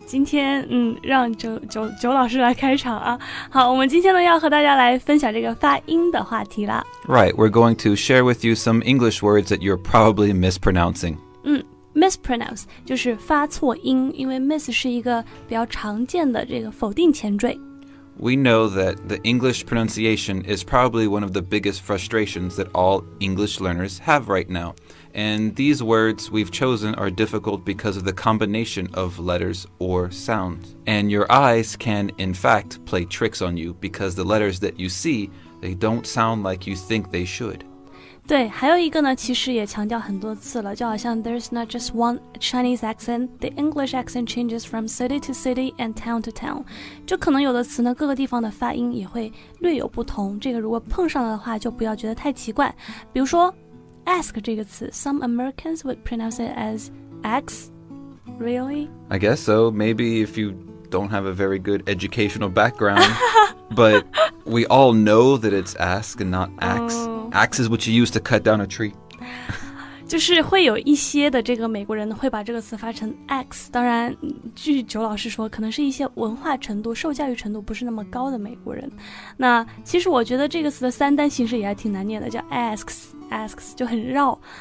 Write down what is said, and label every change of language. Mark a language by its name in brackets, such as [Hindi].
[Chinese] 今天，让九老师来开场啊。好，我们今天呢要和大家来分享这个发音的话题啦。 [English] Right, we're going to share with you some English words that you're probably mispronouncing. [Chinese] Mispronounce 就是发错音，因为 miss 是一个比较常见的这个否定前缀。 [English] We know that the English pronunciation is probably one of the biggest frustrations that all English learners have right now. And these words we've chosen are difficult because of the combination of letters or sounds. And your eyes can, in fact, play tricks on you because the letters that you see, they don't sound like you think they should. [Chinese] 对，还有一个呢，其实也强调很多次了，就好像 [English] there's not just one Chinese accent, the English accent changes from city to city and town to town. [Chinese] 就可能有的词呢，各个地方的发音也会略有不同，这个如果碰上了的话，就不要觉得太奇怪。比如说 ask 这个词， [English] some Americans would pronounce it as X, really? I guess so, maybe if you don't have a very good educational background, but we all know that it's ask and not axe. Axe is what you use to cut down a tree. [Chinese] 就是会有一些的这个美国人会把这个词发成 axe. 当然，据九老师说，可能是一些文化程度、受教育程度不是那么高的美国人。那其实我觉得这个词的三单形式也还挺难念的，叫 asks 就很绕。